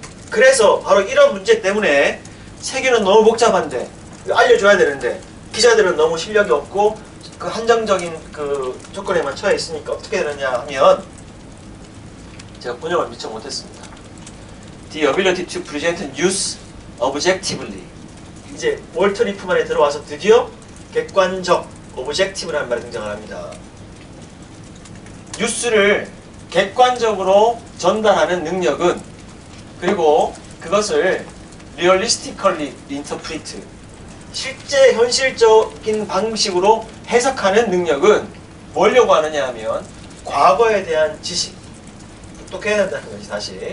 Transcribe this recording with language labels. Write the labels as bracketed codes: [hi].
[ko] 그래서 바로 이런 문제 때문에 세계는 너무 복잡한데, 알려줘야 되는데, 기자들은 너무 실력이 없고 그 한정적인 그 조건에만 처해 있으니까 어떻게 되느냐 하면, 제가 번역을 미처 못했습니다. [en] The ability to present news objectively. [ko] 이제 월터 리프만에 들어와서 드디어 객관적, objective라는 말이 등장을 합니다. 뉴스를 객관적으로 전달하는 능력은, 그리고 그것을 [en] realistically interpret, [ko] 실제 현실적인 방식으로 해석하는 능력은 뭘 요구하느냐 하면 과거에 대한 지식, 똑똑해야 된다는 거지 사실.